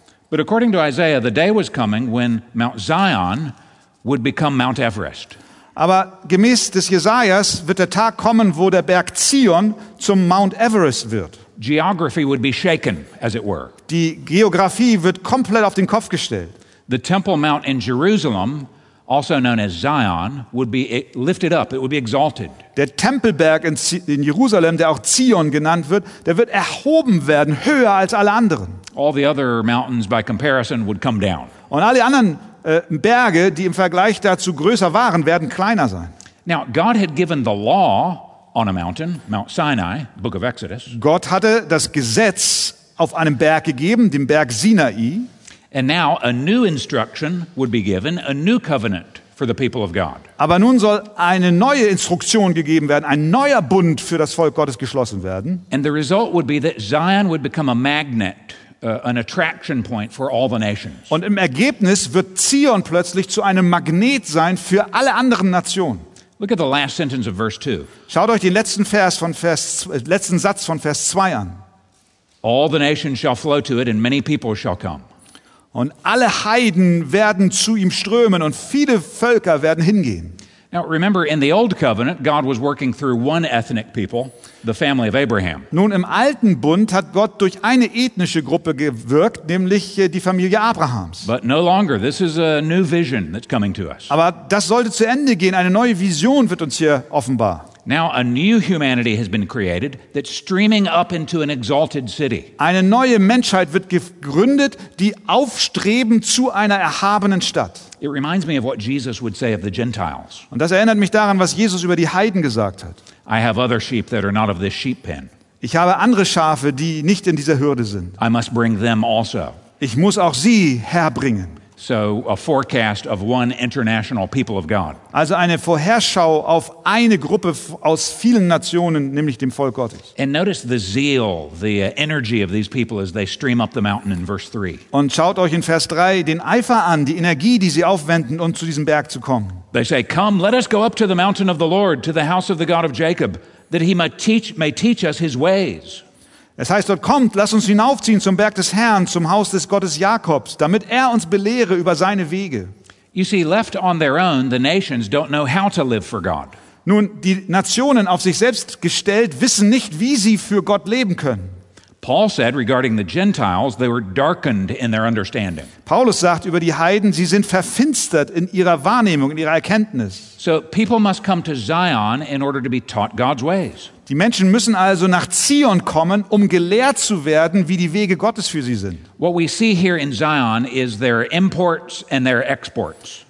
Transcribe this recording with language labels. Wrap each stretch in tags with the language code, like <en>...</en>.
<en>But according to Isaiah, the day was coming when Mount Zion would become Mount Everest.</en> <de>Aber gemäß des Jesajas wird der Tag kommen, wo der Berg Zion zum Mount Everest wird.</de> <en>Geography would be shaken, as it were.</en> <de>Die Geografie wird komplett auf den Kopf gestellt.</de> <en>The Temple Mount in Jerusalem, also known as Zion, would be lifted up. It would be exalted.</en> <de>Der Tempelberg in Jerusalem, der auch Zion genannt wird, der wird erhoben werden, höher als alle anderen.</de> <en>All the other mountains, by comparison, would come down.</en> <de>Und alle anderen Berge, die im Vergleich dazu größer waren, werden kleiner sein.</de> <en>Now, God had given the law on a mountain, Mount Sinai, Book of Exodus.</en> <de>Gott hatte das Gesetz auf einem Berg gegeben, dem Berg Sinai.</de> <en>And now a new instruction would be given, a new covenant for the people of God.</en> <de>Aber nun soll eine neue Instruktion gegeben werden, ein neuer Bund für das Volk Gottes geschlossen werden.</de> <en>And the result would be that Zion would become a magnet. An attraction point for all the nations.</en> <de>Und im Ergebnis wird Zion plötzlich zu einem Magnet sein für alle anderen Nationen.</de> <en>Look at the last sentence of verse 2.</en> <de>Schaut euch den letzten Satz von Vers 2 an.</de> <en>All the nations shall flow to it and many people shall come.</en> <de>Und alle Heiden werden zu ihm strömen und viele Völker werden hingehen.</de> <en>Now remember, in the old covenant, God was working through one ethnic people, the family of Abraham.</en> <de>Nun im alten Bund hat Gott durch eine ethnische Gruppe gewirkt, nämlich die Familie Abrahams.</de> <en>But no longer. This is a new vision that's coming to us.</en> <de>Aber das sollte zu Ende gehen. Eine neue Vision wird uns hier offenbar.</de> <en>Now a new humanity has been created that's streaming up into an exalted city.</en> <de>Eine neue Menschheit wird gegründet, die aufstreben zu einer erhabenen Stadt.</de> <en>It reminds me of what Jesus would say of the Gentiles.</en> <de>Und das erinnert mich daran, was Jesus über die Heiden gesagt hat.</de> <en>I have other sheep that are not of this sheep pen.</en> <de>Ich habe andere Schafe, die nicht in dieser Hürde sind.</de> <en>I must bring them also.</en> <de>Ich muss auch sie herbringen.</de> <en>So a forecast of one international people of God.</en> <de>Also eine Vorherschau auf eine Gruppe aus vielen Nationen, nämlich dem Volk Gottes.</de> <en>And notice the zeal, the energy of these people as they stream up the mountain in verse 3.</en> <de>Und schaut euch in Vers 3 den Eifer an, die Energie, die sie aufwenden, um zu diesem Berg zu kommen.</de> <en>They say, come, let us go up to the mountain of the Lord, to the house of the God of Jacob, that he may teach us his ways.</en> <de>Es heißt dort, kommt, lass uns hinaufziehen zum Berg des Herrn, zum Haus des Gottes Jakobs, damit er uns belehre über seine Wege.</de> <en>You see, left on their own, the nations don't know how to live for God.</en> <de>Nun, die Nationen auf sich selbst gestellt wissen nicht, wie sie für Gott leben können.</de> <en>Paul said regarding the Gentiles, they were darkened in their understanding.</en> <de>Paulus sagt über die Heiden, sie sind verfinstert in ihrer Wahrnehmung, in ihrer Erkenntnis.</de> <en>So people must come to Zion in order to be taught God's ways.</en> <de>Die Menschen müssen also nach Zion kommen, um gelehrt zu werden, wie die Wege Gottes für sie sind.</de> <en>What we see here in Zion is their imports and their exports.</en>